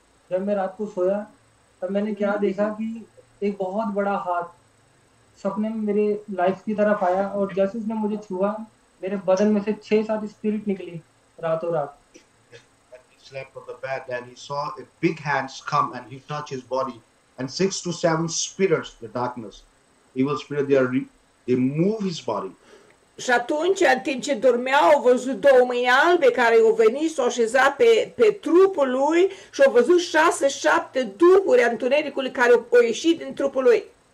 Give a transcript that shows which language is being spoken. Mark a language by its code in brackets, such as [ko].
[hi] जब मैं रात को सोया तब मैंने क्या देखा कि एक बहुत बड़ा हाथ सपने में मेरे लाइफ की तरफ आया और जैसे उसने मुझे छुआ मेरे बदन में से 6-7 स्पिरिट निकली रातों रात [en] and he slept on the bed and he saw a big hands come and he touched his body and 6 to 7 spirits the darkness evil spirit they move his body. [ro] Și atunci, în timp ce dormea, au văzut două mâini albe care au venit, s-au așezat pe trupul lui și au văzut 6-7 duhuri a întunericului care au ieșit din trupul lui.